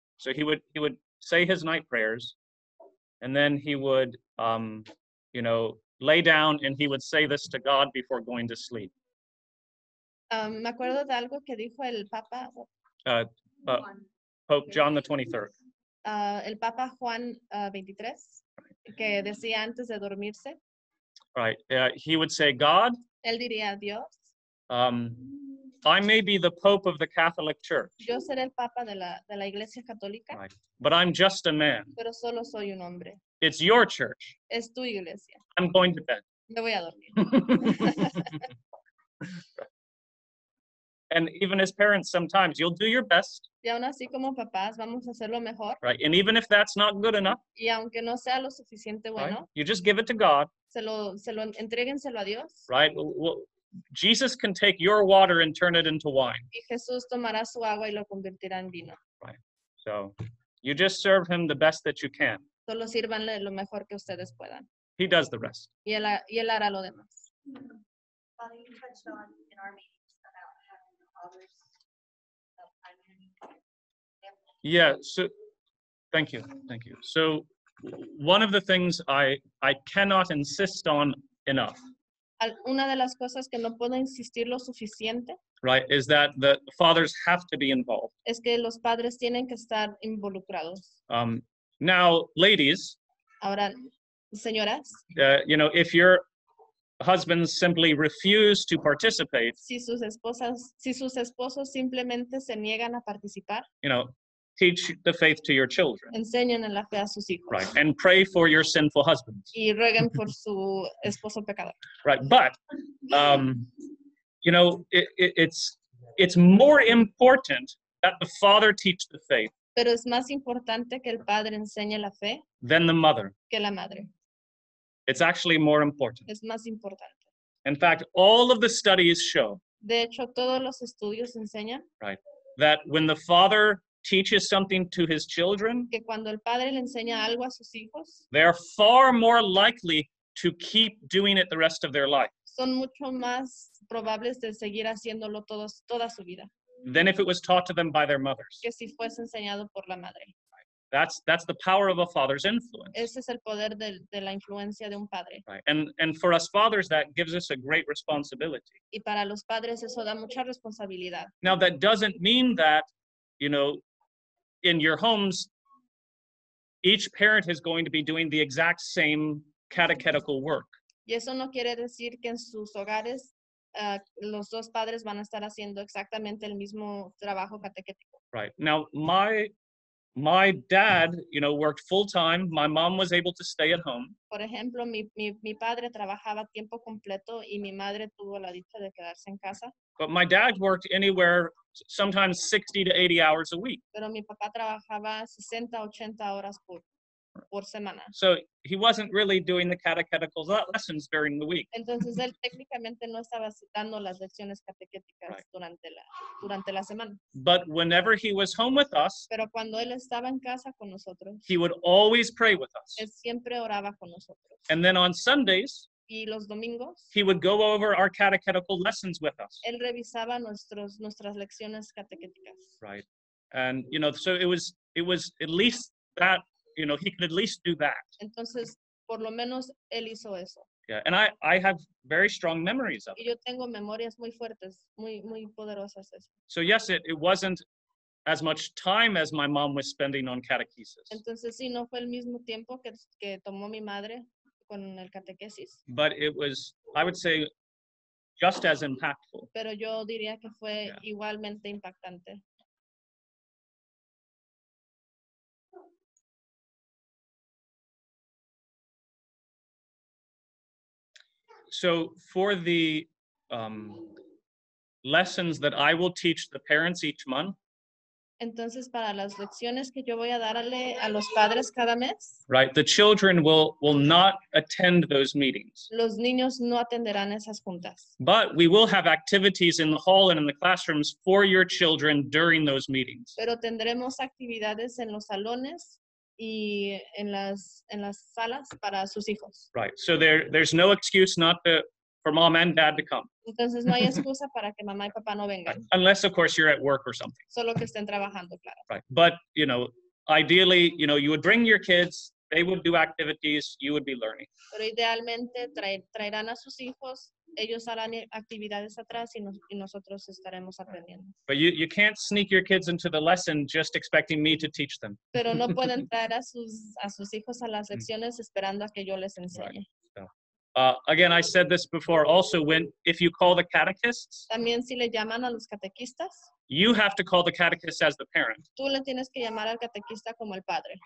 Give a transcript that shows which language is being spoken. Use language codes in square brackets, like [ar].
[en] So he would say his night prayers, and then he would, you know, lay down, and he would say this to God before going to sleep. [es] Me acuerdo de algo que dijo el Papa. [en] Pope John the 23rd. [es] El Papa Juan 23, que decía antes de dormirse. [en] Right. He would say, God. [es] Él diría, Dios. [en] I may be the Pope of the Catholic Church. [es] Yo seré el Papa de la Iglesia Católica. [en] Right. But I'm just a man. [es] Pero solo soy un hombre. [en] It's your church. [es] Es tu iglesia. [en] I'm going to bed. [es] Me voy a dormir. [en] And even as parents, sometimes you'll do your best. [es] Y aún así como papás, vamos a hacer lo mejor. [en] Right, and even if that's not good enough, [es] y aunque no sea lo suficiente bueno, right? [en] You just give it to God. [es] Se lo entréguenselo a Dios. [en] Right, well, Jesus can take your water and turn it into wine. [es] Y Jesús tomará su agua y lo convertirá en vino. [en] Right, so you just serve him the best that you can. [es] Solo sírvanle lo mejor que ustedes puedan. [en] He does the rest. [es] Y él hará lo demás. [en] Father, you touched on in our meetings about having the fathers. Yeah, so thank you. So one of the things I cannot insist on enough. [es] Una de las cosas que no puedo insistir lo suficiente. [en] Right, is that the fathers have to be involved. [es] Es que los padres tienen que estar involucrados. [en] Now, ladies. [es] Ahora, señoras. [en] You know, if you're husbands simply refuse to participate. [es] Si sus esposos simplemente se niegan a participar. [en] You know, teach the faith to your children. [es] Enseñen la fe a sus hijos. [en] Right, and pray for your sinful husbands. [es] Y rueguen por su esposo pecador. [en] Right, but you know, it's more important that the father teach the faith. [es] Pero es más importante que el padre enseñe la fe. [en] Than the mother. [es] Que la madre. [en] It's actually more important. [es] Es más importante. [en] In fact, all of the studies show. [es] De hecho, todos los estudios enseñan. [en] Right. That when the father teaches something to his children, [es] que cuando el padre le enseña algo a sus hijos, [en] they are far more likely to keep doing it the rest of their life. [es] Son mucho más probables de seguir haciéndolo todos, toda su vida. [en] Than if it was taught to them by their mothers. [es] Que si fuese enseñado por la madre. [en] That's the power of a father's influence. [es] Ese es el poder de la influencia de un padre. [en] Right. And for us fathers, that gives us a great responsibility. [es] Y para los padres eso da mucha responsabilidad. [en] Now, that doesn't mean that, you know, in your homes, each parent is going to be doing the exact same catechetical work. [es] Y eso no quiere decir que en sus hogares los dos padres van a estar haciendo exactamente el mismo trabajo catequético. [en] Right. Now, my dad, you know, worked full time. My mom was able to stay at home. [es] Por ejemplo, mi padre trabajaba tiempo completo y mi madre tuvo la dicha de quedarse en casa. [en] But my dad worked anywhere, sometimes 60 to 80 hours a week. [es] Pero mi papá trabajaba 60, 80 horas por semana. [en] So he wasn't really doing the catechetical lessons during the week. [es] Entonces él técnicamente no estaba citando las lecciones catequéticas durante la semana. [en] But whenever he was home with us, [es] pero cuando él estaba en casa con nosotros, [en] he would always pray with us. [es] Él siempre oraba con nosotros. [en] And then on Sundays, [es] y los domingos, [en] he would go over our catechetical lessons with us. [es] Él revisaba nuestras lecciones catequéticas. [en] Right. And you know, so it was at least that. You know, he could at least do that. [es] Entonces, por lo menos, él hizo eso. [en] Yeah, and I have very strong memories of it. [es] Y yo tengo memorias muy fuertes, muy, muy poderosas. [en] So yes, it wasn't as much time as my mom was spending on catechesis. [es] Entonces, sí, no fue el mismo tiempo que tomó mi madre con el catequesis. [en] But it was, I would say, just as impactful. [es] Pero yo diría que fue igualmente impactante. [en] So for the lessons that I will teach the parents each month. [es] Entonces para las lecciones que yo voy a darle a los padres cada mes. [en] Right, the children will not attend those meetings. [es] Los niños no atenderán esas juntas. [en] But we will have activities in the hall and in the classrooms for your children during those meetings. [es] Pero tendremos actividades en los salones y en las salas para sus hijos. [en] Right. So there's no excuse for mom and dad to come. [es] Entonces no hay excusa para que mamá y papá no vengan. [en] Unless of course you're at work or something. [es] Solo que estén trabajando, claro. [en] Right. But, you know, ideally, you know, you would bring your kids, they would do activities, you would be learning. [es] Pero idealmente traerán a sus hijos, ellos harán actividades atrás y nosotros estaremos aprendiendo. [en] But you can't sneak your kids into the lesson just expecting me to teach them. [es] Pero no pueden traer a sus hijos a las lecciones esperando a que yo les enseñe. [en] Right. So, again, I said this before also, if you call the catechists, [es] también si le llaman a los catequistas, [en] you have to call the catechist as the parent. [es] Tú le tienes que llamar al catequista como el padre.